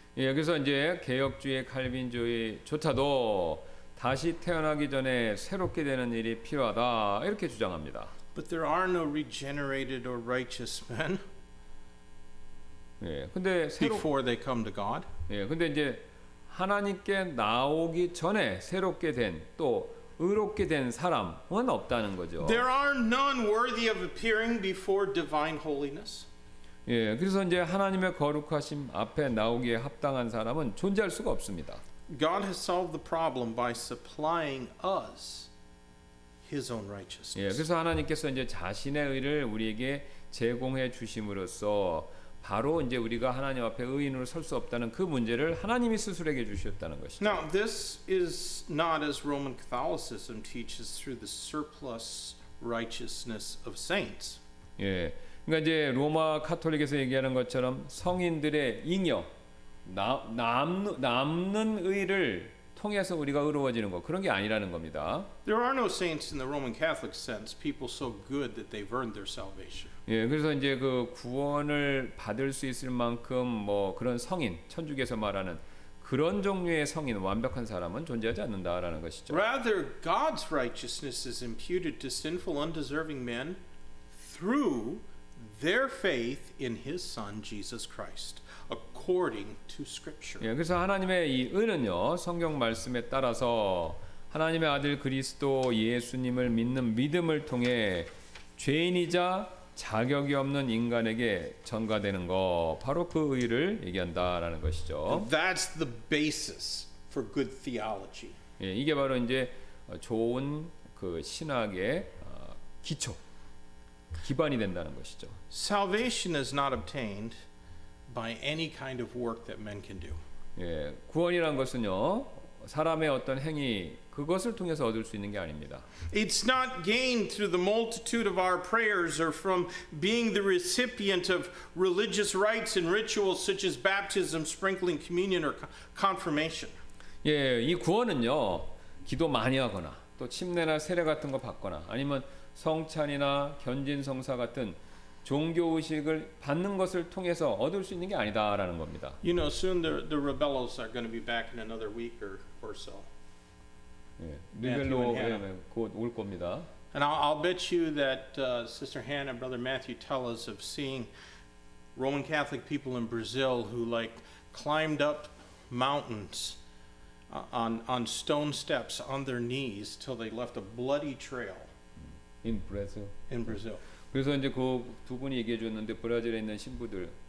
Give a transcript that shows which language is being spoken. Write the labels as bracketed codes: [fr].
[ko] 예, 그래서 이제 개혁주의 칼빈주의조차도 다시 태어나기 전에 새롭게 되는 일이 필요하다 이렇게 주장합니다. [en] But there are no regenerated or righteous men. [ko] 예, 근데 [en] before they come to God. [ko] 예, 근데 이제 하나님께 나오기 전에 새롭게 된 또 의롭게 된 사람은 없다는 거죠. [en] There are none worthy of appearing before divine holiness. [ko] 예, 그래서 이제 하나님의 거룩하심 앞에 나오기에 합당한 사람은 존재할 수가 없습니다. [en] God has solved the problem by supplying us His own righteousness. [ko] 예, 그래서 하나님께서 이제 자신의 의를 우리에게 제공해 주심으로써 바로 이제 우리가 하나님 앞에 의인으로 설 수 없다는 그 문제를 하나님이 스스로에게 주셨다는 것이죠. [en] Now this is not as Roman Catholicism teaches through the surplus righteousness of saints. [ko] 예, 그러니까 이제 로마 가톨릭에서 얘기하는 것처럼 성인들의 잉여 남는 의를 통해서 우리가 의로워지는 거 그런 게 아니라는 겁니다. [en] There are no saints in the Roman Catholic sense. People so good that they've earned their salvation. [ko] 예, 그래서 이제 그 구원을 받을 수 있을 만큼 뭐 그런 성인 천주교에서 말하는 그런 종류의 성인 완벽한 사람은 존재하지 않는다라는 것이죠. [en] Rather, God's righteousness is imputed to sinful, undeserving men through their faith in His Son Jesus Christ. According to Scripture. [ko] 예, 그래서 하나님의 이 은은요 성경 말씀에 따라서 하나님의 아들 그리스도 예수님을 믿는 믿음을 통해 죄인이자 자격이 없는 인간에게 전가되는 거 바로 그 의를 얘기한다라는 것이죠. [en] That's the basis for good theology. [ko] 예, 이게 바로 이제 좋은 그 신학의 기초 기반이 된다는 것이죠. [en] Salvation is not obtained by any kind of work that men can do. [ko] 예, 구원이란 것은요 사람의 어떤 행위 그것을 통해서 얻을 수 있는 게 아닙니다. [en] It's not gained through the multitude of our prayers or from being the recipient of religious rites and rituals such as baptism, sprinkling, communion, or confirmation. [ko] 예, 이 구원은요 기도 많이 하거나 또 침례나 세례 같은 거 받거나 아니면 성찬이나 견진성사 같은 종교 의식을 받는 것을 통해서 얻을 수 있는 게 아니다라는 겁니다. [en] You know, soon the rebellos are going to be back in another week or so. [ko] 예, 리벨로가 곧 올 겁니다. [en] And I'll bet you that Sister Hannah and Brother Matthew tell us of seeing Roman Catholic people in Brazil who like climbed up mountains on stone steps on their knees till they left a bloody trail. In Brazil. In Brazil. [ko] 그래서 이제 그 두 분이 얘기해 줬는데 브라질에 있는 신부들